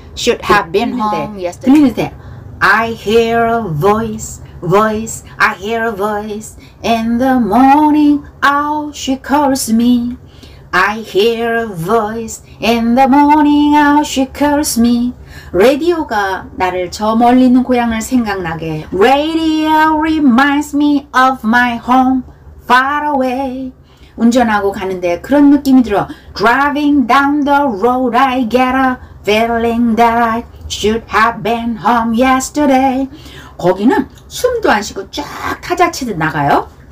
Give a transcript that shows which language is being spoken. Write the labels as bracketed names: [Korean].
[English] Should have been home yesterday. [Korean] 들리는데 [English] I hear a voice, I hear a voice. In the morning hour she calls me. I hear a voice. In the morning hour she calls me. [Korean] 라디오가 나를 저 멀리 있는 고향을 생각나게. [English] Radio reminds me of my home far away. [Korean] 운전하고 가는데 그런 느낌이 들어. [English] Driving down the road I get a feeling that I should have been home yesterday. [Korean] 거기는 숨도 안 쉬고 쫙 타자치듯 나가요.